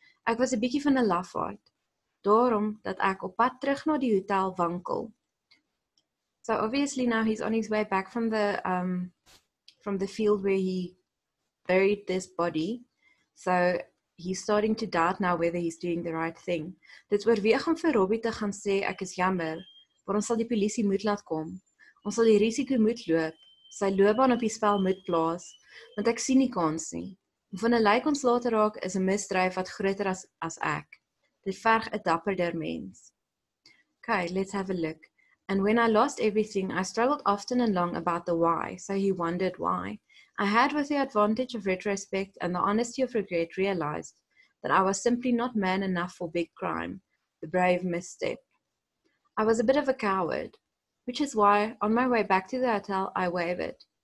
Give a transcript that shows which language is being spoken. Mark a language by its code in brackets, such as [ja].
[af] Ek was 'n bietjie van 'n lafaard, daarom dat ek op pad terug na die hotel wankel. [en] So obviously now he's on his way back from the field where he buried this body. So he's starting to doubt now whether he's doing the right thing. [af] Dit oorweeg om vir Robbie te gaan sê ek is jammer, maar ons sal die polisie moet laat kom. Ons sal die risiko moet loop. Sy loopbaan op die spel moet plaas, want ek sien nie kans nie. Om van 'n lijk ontslae te raak is 'n misdrijf wat groter as ek. Dit verg 'n dapperder mens. [en] Okay, let's have a look. And when I lost everything, I struggled often and long about the why. So he wondered why. I had, with the advantage of retrospect and the honesty of regret, realized that I was simply not man enough for big crime, the brave misstep. I was a bit of a coward, which is why, on my way back to the hotel, I wavered.